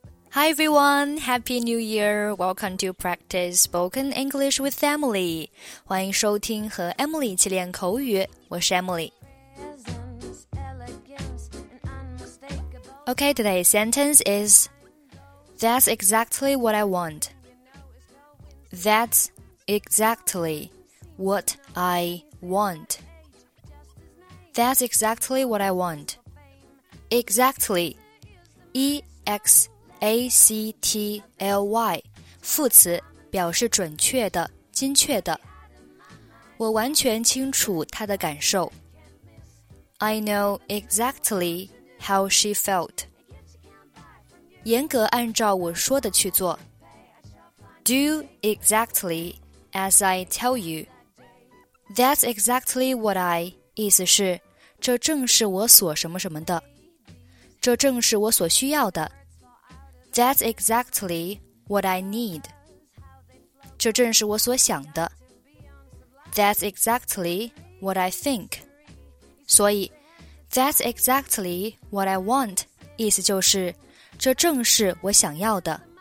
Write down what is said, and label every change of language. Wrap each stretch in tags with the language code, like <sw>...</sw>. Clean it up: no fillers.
<en>Hi everyone, Happy New Year, welcome to Practice Spoken English with Emily.</en> <zh>欢迎收听和 Emily 一起练口语，我是 Emily.</zh> <en>Okay, today's sentence is, That's exactly what I want. That's exactly what I want. That's exactly what I want. Exactly, exactly,</en> <zh>副词表示准确的、精确的。我完全清楚她的感受。</zh> <en>I know exactly how she felt.</en> <zh>严格按照我说的去做。</zh> <en>Do exactly as I tell you. That's exactly what I,</en> <zh>意思是这正是我所什么什么的。这正是我所需要的。</zh> <en>That's exactly what I need.</en> <zh>这正是我所想的。</zh> <en>That's exactly what I think.</en> <zh>所以</zh> <en>,That's exactly what I want.</en> <zh>意思就是这正是我想要的。</zh>